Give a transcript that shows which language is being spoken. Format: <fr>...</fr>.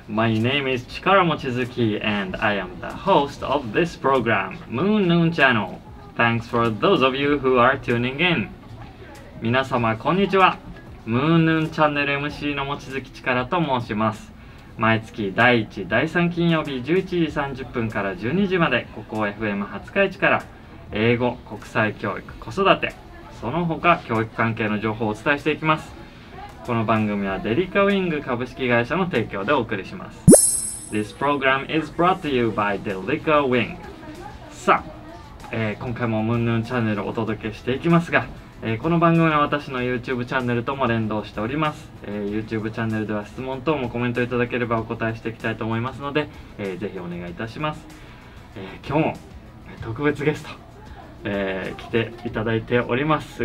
<en>My name is Chikara Mochizuki, and I am the host of this program, Moon Noon Channel. Thanks for those of you who are tuning in.</en> <ja>皆様こんにちは。 Moon Noon Channel MC の Mochizuki Chikara と申します。毎月第1、第3金曜日11時30分から12時まで、ここ FM 廿日市から英語、国際教育、子育て、その他教育関係の情報をお伝えしていきます。この番組はデリカウィング株式会社の提供でお送りします。</ja> <en>This program is brought to you by Delica Wing.</en> <ja>さあ、今回もムンヌンチャンネルをお届けしていきますが、この番組は私の YouTube チャンネルとも連動しております。 YouTube チャンネルでは質問等もコメントいただければお答えしていきたいと思いますので、ぜひお願いいたします。今日も特別ゲスト、来ていただいております。</ja>